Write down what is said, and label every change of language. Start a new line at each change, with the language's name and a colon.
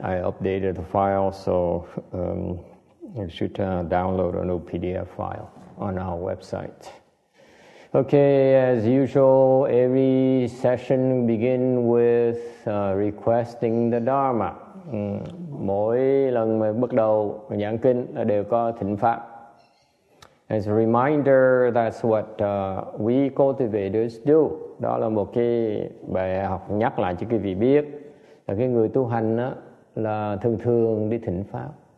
English: I updated the file, so you should download a new PDF file on our website. Okay, as usual, every session begin with requesting the Dharma.
Vietnamese: Mỗi lần mà bắt đầu giảng kinh là đều có thỉnh pháp.
English: As a reminder, that's what we cultivators do.
Vietnamese: Đó là một cái bài học nhắc lại cho quý vị biết. Là cái người tu hành á là thường thường đi thỉnh pháp.